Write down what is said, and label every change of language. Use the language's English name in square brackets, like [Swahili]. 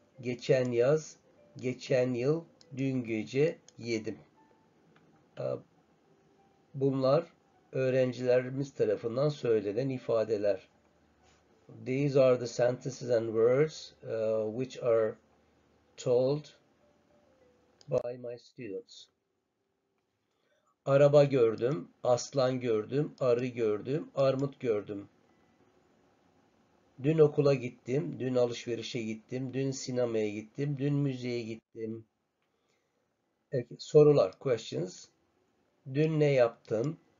[Turkish] Geçen yaz, geçen yıl, dün gece yedim. Bunlar öğrencilerimiz tarafından söylenen ifadeler. [English] These are the sentences and words which are told by my students. [Turkish] Araba gördüm, aslan gördüm, arı gördüm, armut gördüm. Dün okula gittim, dün alışverişe gittim, dün sinemaya gittim, dün müzeye gittim. Peki, sorular, questions. Dün ne yaptın?